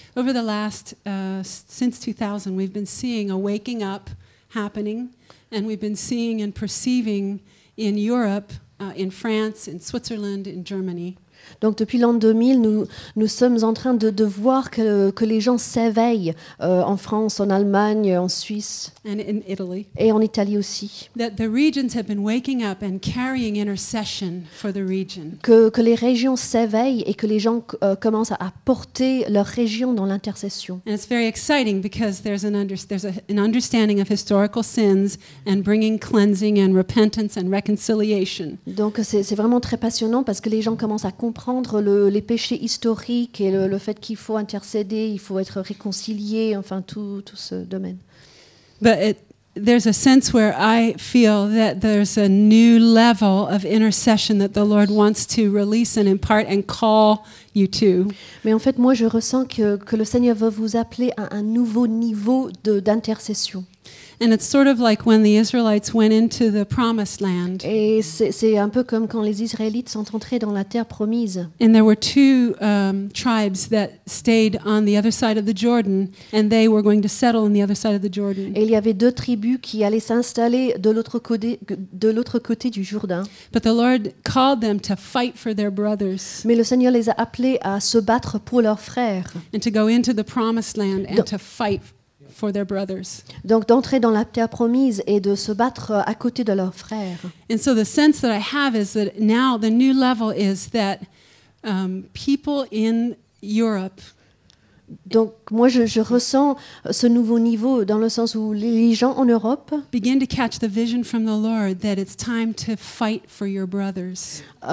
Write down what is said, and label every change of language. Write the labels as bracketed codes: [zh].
[en] Over the last since 2000, we've been seeing a waking up happening, and we've been seeing and perceiving in Europe in France, in Switzerland, in Germany. [fr] Donc depuis l'an 2000, nous sommes en train de voir que les gens s'éveillent en France, en Allemagne, en Suisse [en] and in Italy. [fr] Et en Italie aussi. [en] That the regions have been waking up and carrying intercession for the region. [fr] Que les régions s'éveillent et que les gens commencent à porter leur région dans l'intercession. [en] And it's very exciting because there's an understanding of historical sins and bringing cleansing and repentance and reconciliation. [fr] Donc c'est vraiment très passionnant parce que les gens commencent à comprendre les péchés historiques et le fait qu'il faut intercéder, il faut être réconcilié, enfin tout ce domaine. [en] But there's a sense where I feel that there's a new level of intercession that the Lord wants to release and impart and call you to. [fr] Mais en fait, moi, je ressens que le Seigneur veut vous appeler à un nouveau niveau d'intercession. [en] And it's sort of like when the Israelites went into the promised land. [fr] Et c'est un peu comme quand les Israélites sont entrés dans la terre promise. [en] And there were two tribes that stayed on the other side of the Jordan, and they were going to settle on the other side of the Jordan. [fr] Et il y avait deux tribus qui allaient s'installer de l'autre côté du Jourdain. [en] But the Lord called them to fight for their brothers. [fr] Mais le Seigneur les a appelés à se battre pour leurs frères. [en] And to go into the promised land and to fight for their brothers. [fr] Donc d'entrer dans la terre promise et de se battre à côté de leurs frères. [en] And so the sense that I have is that now the new level is that people in Europe. [fr] Donc moi je ressens ce nouveau niveau dans le sens où les gens en Europe [en] begin to catch the vision from the Lord that it's time to fight for your brothers.